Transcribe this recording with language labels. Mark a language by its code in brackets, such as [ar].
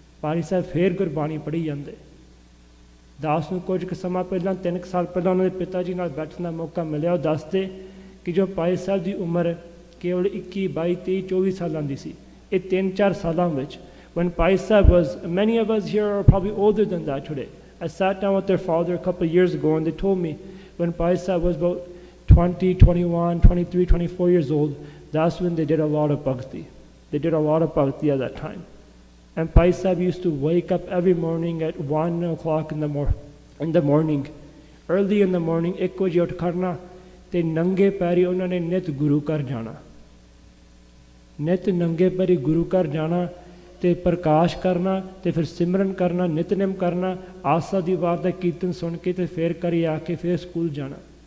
[pa] ਭਾਈ ਸਾਹਿਬ ਫਿਰ ਗੁਰਬਾਣੀ ਪੜ੍ਹੀ ਜਾਂਦੇ। ਦਾਸ ਨੂੰ ਕੁਝ ਕੁ ਸਮਾਂ ਪਹਿਲਾਂ, 3 ਸਾਲ ਪਹਿਲਾਂ ਉਹਨਾਂ ਦੇ ਪਿਤਾ ਜੀ ਨਾਲ ਬੈਠਣ ਦਾ ਮੌਕਾ ਮਿਲਿਆ। ਉਹ ਦੱਸਦੇ ਕਿ ਜੋ ਭਾਈ ਸਾਹਿਬ ਦੀ ਉਮਰ ਕੇਵਲ 21-22-24 ਸਾਲਾਂ ਦੀ ਸੀ, ਇਹ 3-4 ਸਾਲਾਂ ਵਿੱਚ। [en] When Bhai Sahib was many of us here are probably older than that today, I sat down with their father a couple of years ago, and they told me when Bhai Sahib was about 20, 21, 23, 24 years old, that's when they did a lot of bhakti. They did a lot of bhakti at that time. And Bhai Sahib used to wake up every morning at 1 o'clock in the morning. Early in the morning, [pa] ਇੱਕ ਵਜੇ ਉੱਠ ਕਰਨਾ, ਤੇ ਨੰਗੇ ਪੈਰੀ ਉਨ੍ਹੋਂਨੇ ਨਿੱਤ ਗੁਰੂ ਕਰ ਜਾਣਾ. ਨਿੱਤ ਨੰਗੇ ਪੈਰੀ ਗੁਰੂ ਕਰ ਜਾਣਾ, ਤੇ ਪ੍ਰਕਾਸ਼ ਕਰਨਾ, ਤੇ ਫਿਰ ਸਿਮਰਨ ਕਰਨਾ, ਨਿਤਨੇਮ ਕਰਨਾ, ਆਸਾ ਦੀ ਵਾਰ ਦਾ ਕੀਰਤਨ ਸੁਣ ਕੇ, ਤੇ ਫਿਰ ਕਰੀ ਆਕੇ, ਫਿਰ ਸਕੂਲ ਜਾਣਾ.